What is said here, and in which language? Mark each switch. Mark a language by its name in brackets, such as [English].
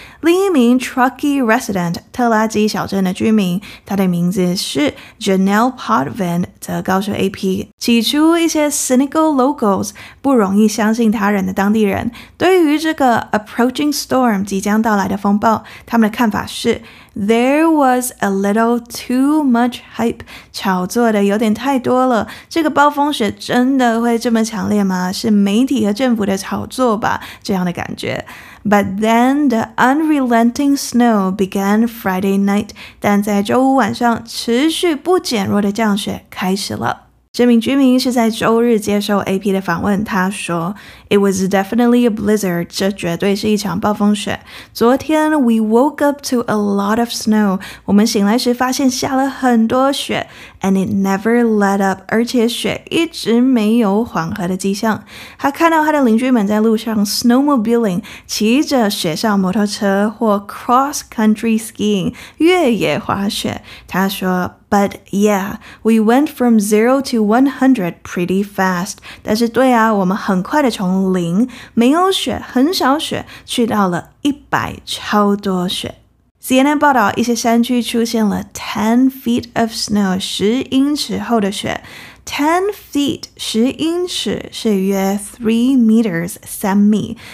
[Chinese] 另一名 Truckee resident, 特拉基小镇的居民，他的名字是 Janelle Potvin, 则告诉 AP, 起初一些 [English] cynical locals, [Chinese] 不容易相信他人的当地人，对于这个 [English] approaching storm, [Chinese] 即将到来的风暴，他们的看法是 [English] There was a little too much hype, [Chinese] 炒作的有点太多了，这个暴风雪真的会这么强烈吗？是媒体和政府的炒作吧，这样的感觉。 [English] But then the unrelenting snow began Friday night. [Chinese] 但在周五晚上，持续不减弱的降雪开始了。这名居民是在周日接受 AP 的访问，他说 [English] It was definitely a blizzard, [Chinese] 这绝对是一场暴风雪。昨天 [English] we woke up to a lot of snow, [Chinese] 我们醒来时发现下了很多雪 [English] and it never let up, [Chinese] 而且雪一直没有缓和的迹象。他看到他的邻居们在路上 snowmobiling, 骑着雪上摩托车或 cross-country skiing, 越野滑雪。他说 [English] But yeah, we went from 0 to 100 pretty fast. [Chinese] 但是对啊，我们很快的从零，没有雪，很少雪，去到了100，超多雪。 CNN 报道，一些山区出现了 [English] 10 feet of snow, [Chinese] 10英尺厚的雪。 10 feet, 10英尺是约 3 meters, 3米。